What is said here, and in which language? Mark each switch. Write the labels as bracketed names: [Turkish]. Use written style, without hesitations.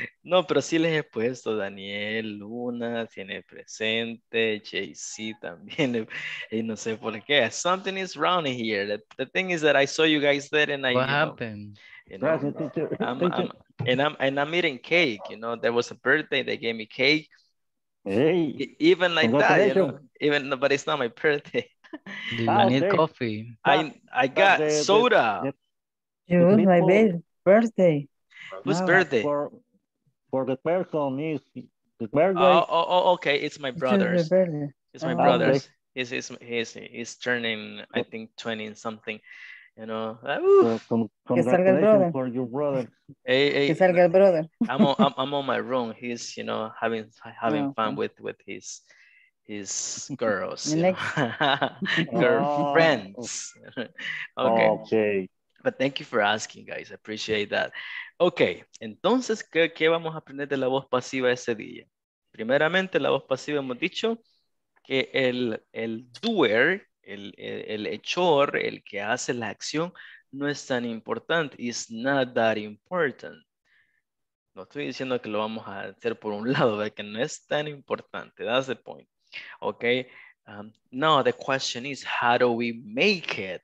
[Spanish] No, pero sí les he puesto Daniel, Luna, tiene presente, JC también, y no sé por qué. [English] Something is wrong here. The thing is that I saw you guys there and I... What happened? And I'm eating cake, you know. There was a birthday, they gave me cake. Hey, even like that, you know. Even, but it's not my birthday. I need coffee. I got soda. It was my baby. Birthday. Whose birthday? For the person is the birthday. Oh, okay. It's my brother's. It's my brother's. He's turning, I think, 20 and something. You know. Congratulations for your brother. Hey. [Spanish] Que salga el brother. [English] I'm on my room. He's, you know, having fun with his girls. Girlfriends. Okay. But thank you for asking, guys. I appreciate that. [Spanish] Okay, entonces, ¿qué vamos a aprender de la voz pasiva ese día? Primeramente, la voz pasiva hemos dicho que el doer, el hechor, el que hace la acción, no es tan importante. [English] It's not that important. [Spanish] No estoy diciendo que lo vamos a hacer por un lado, ¿verdad? Que no es tan importante. [English] That's the point. [Spanish] Okay. [English] Now, the question is, how do we make it?